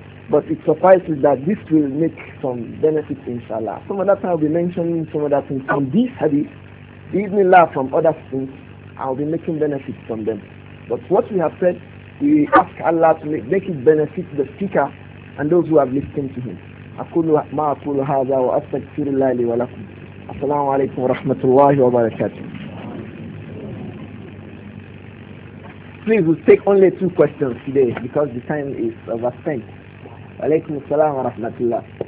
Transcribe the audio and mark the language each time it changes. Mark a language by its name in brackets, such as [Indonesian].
[English] But it suffices that this will make some benefits inshallah. Some other time I'll be mentioning some other things from this hadith, even Allah from other things, I'll be making benefits from them. But what we have said, we ask Allah to make it benefit the speaker and those who have listened to him. [Arabic] أقول ما أقول هذا وأستغفر الله لي ولكم. السلام عليكم ورحمة الله وبركاته. [English] Please, we'll take only two questions today because the time is overspent. [Arabic] عليكم السلام ورحمة الله.